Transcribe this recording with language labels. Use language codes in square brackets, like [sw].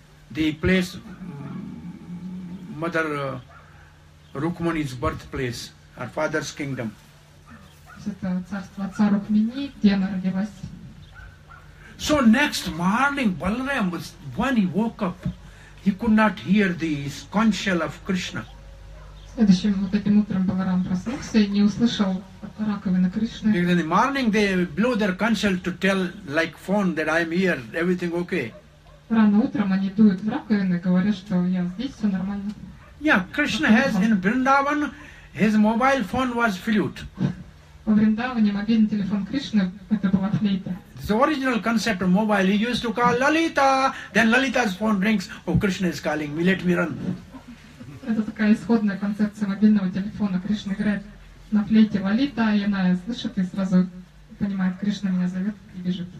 [en] The place, Mother Rukmini's birthplace, her father's kingdom. [ru] Это царство отца Рукмини, где она родилась. [en] So next morning, Balaram was, when he woke up, he could not hear the conch shell of Krishna. [ru] Следующим вот этим утром Баларам проснулся и не услышал раковины Кришны. [en] Because in the morning they blew their conch shell to tell, like phone, that I'm here, everything okay. [ru] Рано утром они дуют в раковины, говорят, что я здесь, все нормально. [en] Yeah, Krishna has in Vrindavan, his mobile phone was flute. [ru] Во Вриндаване мобильный телефон Кришны, это была флейта. [en] The original concept of mobile, he used to call Lalita, then Lalita's phone rings, oh, Krishna is calling me, let me run. [ru] Это такая исходная концепция мобильного телефона. Кришна играет на флейте Лалита, и она слышит и сразу понимает, Кришна меня зовет и бежит.